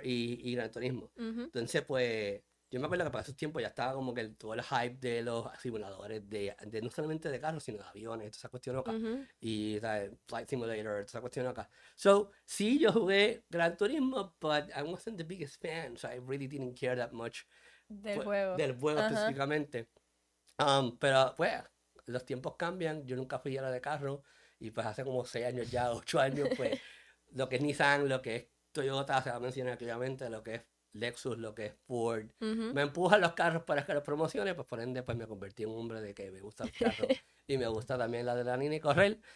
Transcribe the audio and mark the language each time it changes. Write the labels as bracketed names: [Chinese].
[Spanish] Y Gran Turismo. Uh-huh. Entonces, pues, yo me acuerdo que para esos tiempos ya estaba como que todo el hype de los simuladores, de no solamente de carros, sino de aviones, toda esa cuestión acá. Uh-huh. Y Flight Simulator, toda esa cuestión acá. [English] So, [Spanish] sí, yo jugué [English] Gran Turismo, but I wasn't the biggest fan, so I really didn't care that much. [Spanish] Del juego. Del juego uh-huh. específicamente. Pero, pues, los tiempos cambian. Yo nunca fui a la de carro y pues hace como 6 años ya, 8 años, pues, lo que es Nissan, lo que es Toyota, se va a mencionar claramente, lo que es Lexus, lo que es Ford, uh-huh. me empujan los carros para que los promocione, pues por ende pues me convertí en un hombre de que me gusta el carro y me gusta también la de la Nini correr.